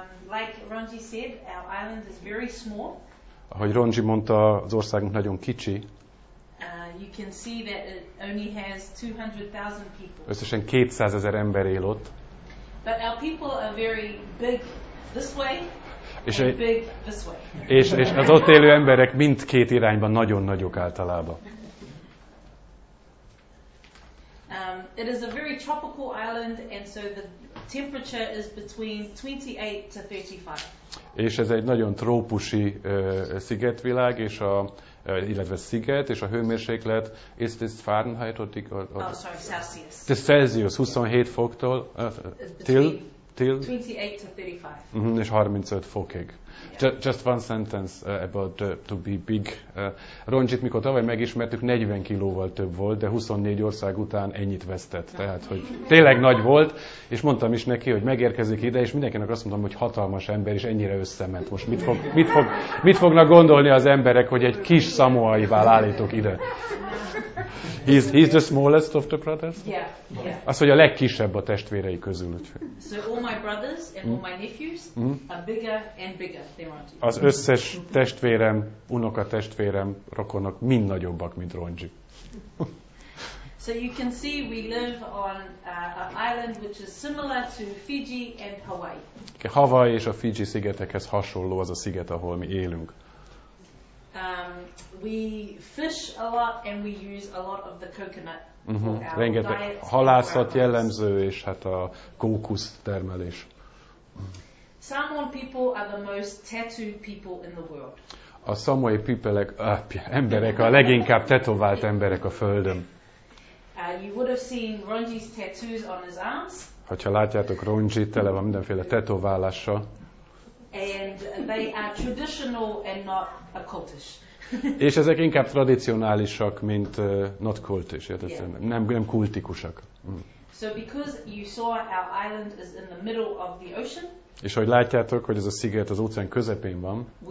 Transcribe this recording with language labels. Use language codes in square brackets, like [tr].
[en] Like Ronji said, our island is very small. [hu] Ahogy Ronji mondta, az országunk nagyon kicsi. [en] You can see that it only has 200,000 people. [hu] Összesen 200,000 ember él ott. [en] But our people are very big. This way, és big this way. [hu] És az ott élő emberek mind két irányban nagyon nagyok általában. [en] It is a very tropical island, and so the temperature is between 28 to 35. [hu] És ez egy nagyon trópusi szigetvilág, és a illetve sziget, és a hőmérséklet [en] is this Fahrenheit or Celsius. [hu] Celsius 27 foktól till [en] 28 to 35. [hu] És 35 fokig. [en] Just one sentence about to be big. [hu] Rongyit, mikor tavaly megismertük, 40 kilóval több volt, de 24 ország után ennyit vesztett. Tehát, hogy tényleg nagy volt, és mondtam is neki, hogy megérkezik ide, és mindenkinek azt mondtam, hogy hatalmas ember, és ennyire összement. Most mit fognak gondolni az emberek, hogy egy kis szamoaival állítok ide? [en] He's the smallest of the brothers? Yeah. [hu] Az, hogy a legkisebb a testvérei közül. [en] So all my brothers and all my nephews are bigger and bigger. [hu] Az összes testvérem, unokatestvérem, rokonok mind nagyobbak, mint Ronji. [en] So you can see we live on an island which is similar to Fiji and Hawaii. [hu] Okay, Hawaii és a Fiji szigetekhez hasonló az a sziget, ahol mi élünk. [en] We fish a lot and we use a lot of the coconut. Uh-huh. [hu] Rengeteg halászat jellemző, és hát a kókusz termelés. [en] Samoan people are the most tattooed people in the world. [hu] A Samoai emberek a leginkább tetovált emberek a földön. [en] You would have seen Ronji's tattoos on his arms. [hu] Hogyha látjátok, Ronji tele van mindenféle tetoválása. [en] And they are traditional and not a cultish. [hu] És ezek inkább tradicionálisak, mint [en] not cultish, yeah. [hu] nem kultikusak. [en] So because you saw our island is in the middle of the ocean. [hu] És ahogy látjátok, hogy ez a sziget az óceán közepén van.